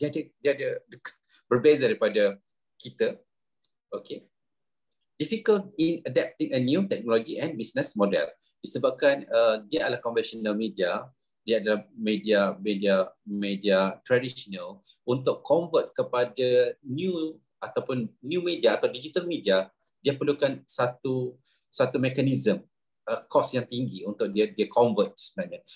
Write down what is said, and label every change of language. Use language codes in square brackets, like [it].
[ms] Dia ada berbeza daripada kita. Okay. [en] Difficult in adapting a new technology and business model. [ms] Disebabkan dia adalah conventional media, dia adalah media traditional. Untuk convert kepada new ataupun new media atau digital media, dia perlukan satu mekanism, cost yang tinggi untuk dia convert sebenarnya.